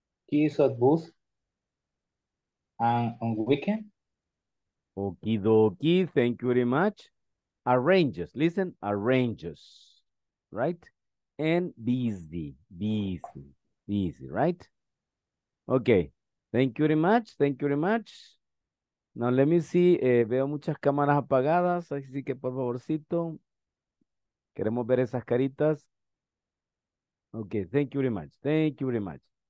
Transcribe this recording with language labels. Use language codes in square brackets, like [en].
[en] She is at booth. And on weekend? Okie dokie, thank you very much. Arranges, listen, arranges, right? And busy, busy, busy, right? Okay, thank you very much, thank you very much. Now let me see, [es] veo muchas cámaras apagadas, así que por favorcito, queremos ver esas caritas. [en] Okay, thank you very much, thank you very much.